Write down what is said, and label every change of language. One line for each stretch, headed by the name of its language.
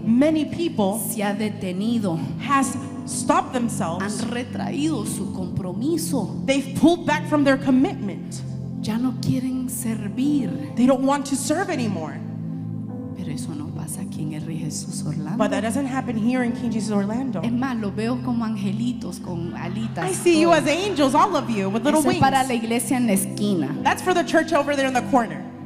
English: Many people.
Spanish: Se ha detenido.
English: Has stopped themselves.
Spanish: Han retraído su compromiso.
English: They've pulled back from their commitment.
Spanish: Ya no quieren servir.
English: They don't want to serve anymore.
Spanish: Pero eso no pasa aquí en el Rey Jesús Orlando.
English: But that doesn't happen here in King Jesus Orlando.
Spanish: Es más, lo veo como angelitos con alitas.
English: I see you as angels, all of you, with little wings.
Spanish: Es para la iglesia en la esquina.
English: That's for the church over there in the corner.